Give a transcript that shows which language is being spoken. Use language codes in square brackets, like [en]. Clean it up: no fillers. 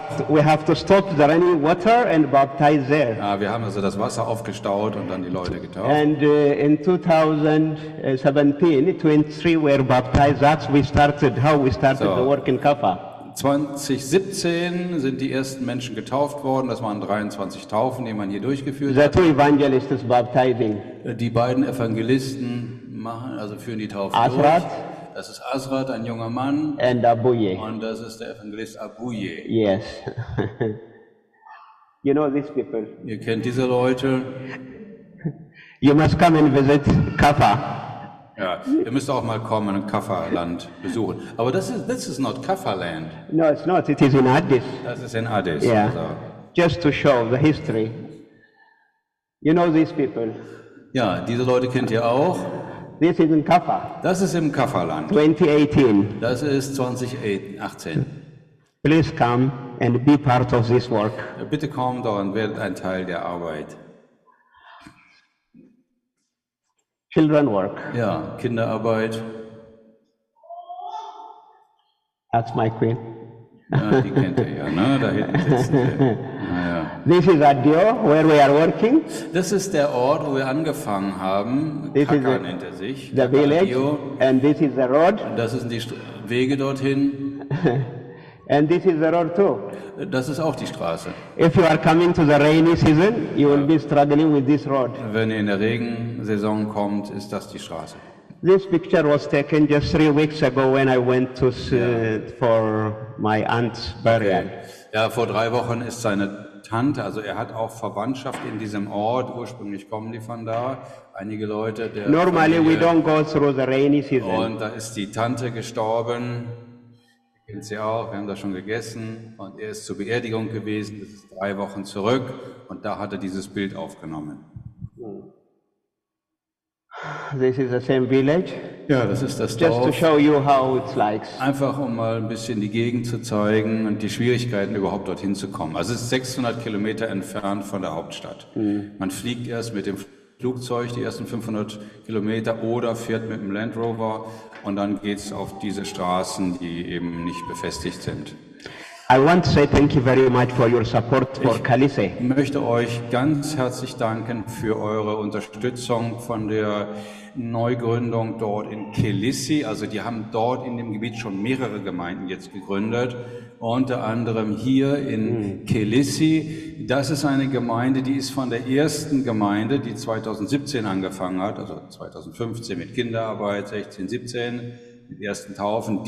[en] We have to stop the running water and baptize there. [de] Ah, wir haben also das Wasser aufgestaut und dann die Leute getauft. [en] And in 2017, 23 were baptized. That's how we started the work in Kaffa. [de] 2017 sind die ersten Menschen getauft worden. Das waren 23 Taufen, die man hier durchgeführt [en] hat. The two evangelists baptizing. [de] Die beiden Evangelisten machen, also führen die Taufe [en] Asrat. [de] Durch. Das ist Asrat, ein junger Mann. [en] And Abuye. [de] Und das ist der Evangelist Abuye. [en] Yes. You know these people. [de] Ihr kennt diese Leute. [en] You must come and visit Kaffa. [de] Ja, ihr müsst auch mal kommen und Kaffa-Land besuchen. [en] Aber this is not Kaffa-Land. No, it's not. It is in Addis. [de] Das ist in Addis. [en] Yeah. Also. Just to show the history. You know these people. [de] Ja, diese Leute kennt ihr auch. [en] This is in Kaffa. [de] Das ist im Kaffa-Land. [en] 2018. [de] Das ist 2018. [en] Please come and be part of this work. [de] Bitte kommt und werdet ein Teil der Arbeit. [en] Children work. [de] Ja, Kinderarbeit. [en] That's my queen. [de] Ja, die kennt ihr ja, ne? Da hinten sitzen wir. Ja. [en] This is Adio, where we are working. [de] Das ist der Ort, wo wir angefangen haben. [en] This Kaka is [de] the, nennt er sich. [en] The Kaka village. Adio. And this is the road. [de] Das sind die Wege dorthin. [en] And this is the road too. [de] Das ist auch die Straße. [en] If you are coming to the rainy season, you will be struggling with this road. [de] Wenn ihr in der Regensaison kommt, ist das die Straße. [en] This picture was taken just 3 weeks ago when I went to for my aunt's burial. [de] Okay. Ja, vor 3 Wochen ist seine Tante, also er hat auch Verwandtschaft in diesem Ort. Ursprünglich kommen die von da. Einige Leute, der [en] Normally [de] Familie. [en] We don't go through the rainy season. [de] Und da ist die Tante gestorben. Kennt sie auch, wir haben das schon gegessen und er ist zur Beerdigung gewesen, das ist 3 Wochen zurück und da hat er dieses Bild aufgenommen. [en] This is the same village. [de] Ja, das ist das [en] Just [de] Dorf. [en] To show you how it's like. [de] Einfach um mal ein bisschen die Gegend zu zeigen und die Schwierigkeiten überhaupt dorthin zu kommen. Also es ist 600 Kilometer entfernt von der Hauptstadt. Mhm. Man fliegt erst mit dem Flugzeug die ersten 500 Kilometer oder fährt mit dem Land Rover und dann geht es auf diese Straßen, die eben nicht befestigt sind. [en] I want to say thank you very much for your support for Kalise. [de] Ich möchte euch ganz herzlich danken für eure Unterstützung von der Neugründung dort in Kilise. Also die haben dort in dem Gebiet schon mehrere Gemeinden jetzt gegründet. Unter anderem hier in Kilise. Das ist eine Gemeinde, die ist von der ersten Gemeinde, die 2017 angefangen hat, also 2015 mit Kinderarbeit, 16, 17, mit ersten Taufen.